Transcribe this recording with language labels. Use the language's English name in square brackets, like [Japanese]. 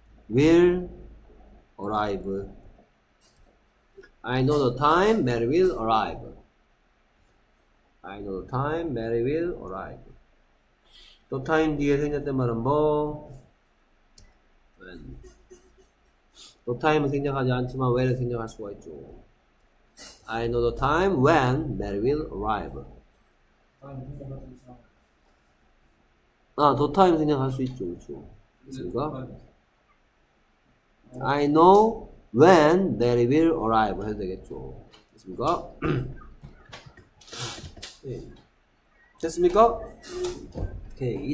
[English] will arrive. I know the time Mary will arrive. I know the time Mary will arrive. The time [Korean] 뒤에 생겼단 말은 뭐? [English] When. [Korean] 더 타임은 생략하지 않지만 when을 생략할 수가 있죠. [English] I know the time when Mary will arrive. [Korean] 아, 더 타임 생략할 수 있죠. 그렇죠. 그렇습니까? [English] I know when Mary will arrive [Korean] 해도 되겠죠. 그렇습니까? 네. 됐습니까? 오케이.